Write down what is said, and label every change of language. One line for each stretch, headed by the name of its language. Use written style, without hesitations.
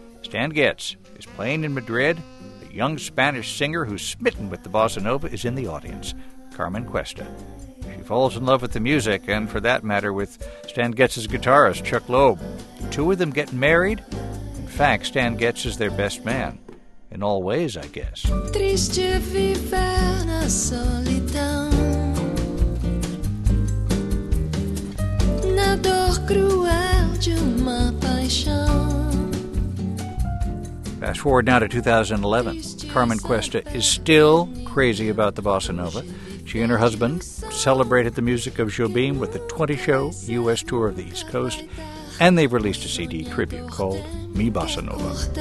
English: Stan Getz is playing in Madrid. A young Spanish singer who's smitten with the bossa nova is in the audience, Carmen Cuesta. She falls in love with the music, and for that matter, with Stan Getz's guitarist, Chuck Loeb. The two of them get married. In fact, Stan Getz is their best man. In all ways, I guess.
Portuguese: Triste viver na solidão. Na dor cruel de uma paixão.
English: Fast forward now to 2011. Carmen Cuesta is still crazy about the bossa nova. She and her husband celebrated the music of Jobim with a 20-show U.S. tour of the East Coast, and they've released a CD tribute called Mi Bossa Nova.